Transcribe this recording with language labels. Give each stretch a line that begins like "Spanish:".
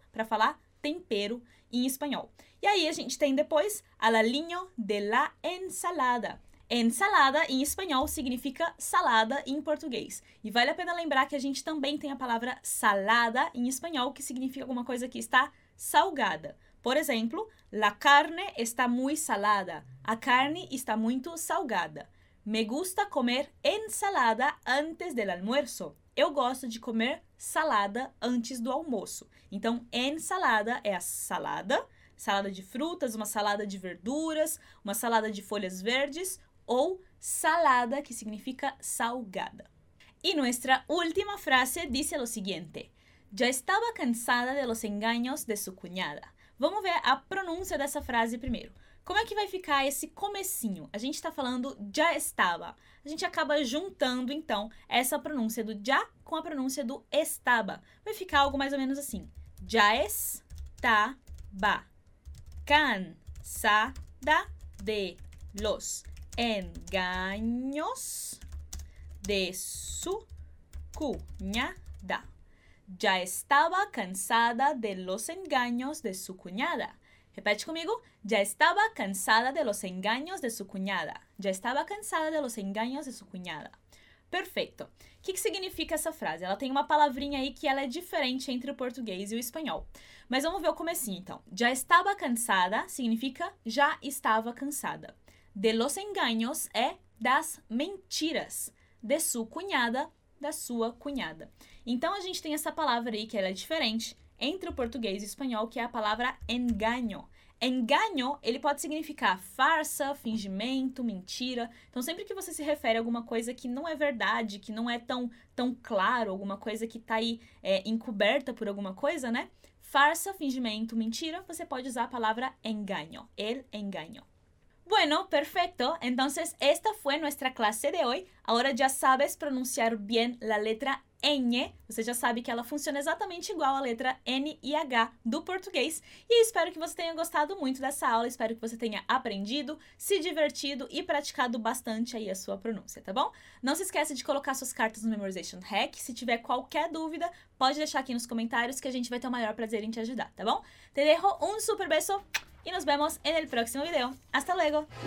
Portuguese: Para falar tempero em espanhol. E aí, a gente tem depois
Spanish: al aliño de la ensalada.
Portuguese: Ensalada, em espanhol, significa salada em português. E vale a pena lembrar que a gente também tem a palavra salada em espanhol, que significa alguma coisa que está salgada.
Spanish: Por exemplo, la carne está muy salada.
Portuguese: A carne está muito salgada.
Spanish: Me gusta comer ensalada antes del almuerzo.
Portuguese: Eu gosto de comer salada antes do almoço. Então, ensalada é a salada. Salada de frutas, uma salada de verduras, uma salada de folhas verdes ou salada, que significa salgada.
Spanish: Y nuestra última frase dice lo siguiente. Ya estaba cansada de los engaños de su cuñada.
Portuguese: Vamos ver a pronúncia dessa frase primeiro. Como é que vai ficar esse comecinho? A gente está falando já estava. A gente acaba juntando, então, essa pronúncia do já com a pronúncia do estaba. Vai ficar algo mais ou menos assim.
Spanish: Já estaba cansada de los engaños de su cuñada. Já estaba cansada de los engaños de su cuñada.
Portuguese: Repete comigo.
Spanish: Já estaba cansada de los engaños de su cuñada. Já estaba cansada de los engaños de su cuñada.
Portuguese: Perfeito. O que, que significa essa frase? Ela tem uma palavrinha aí que ela é diferente entre o português e o espanhol. Mas vamos ver o comecinho, então.
Spanish: Já estaba cansada
Portuguese: significa já estava cansada.
Spanish: De los engaños
Portuguese: é das mentiras.
Spanish: De su cuñada,
Portuguese: da sua cunhada. Então, a gente tem essa palavra aí que ela é diferente entre o português e o espanhol, que é a palavra engaño. Engaño, ele pode significar farsa, fingimento, mentira. Então, sempre que você se refere a alguma coisa que não é verdade, que não é tão claro, alguma coisa que está aí encoberta por alguma coisa, né? Farsa, fingimento, mentira, você pode usar a palavra engaño.
Spanish: El engaño. Bueno, perfecto. Entonces, esta fue nuestra clase de hoy. Ahora ya sabes pronunciar bien la letra ñ.
Portuguese: Você já sabe que ela funciona exatamente igual à letra N e H do português. E espero que você tenha gostado muito dessa aula. Espero que você tenha aprendido, se divertido e praticado bastante aí a sua pronúncia, tá bom? Não se esqueça de colocar suas cartas no Memorization Hack. Se tiver qualquer dúvida, pode deixar aqui nos comentários que a gente vai ter o maior prazer em te ajudar, tá bom?
Spanish: Te dejo un super beso. Y nos vemos en el próximo video. ¡Hasta luego!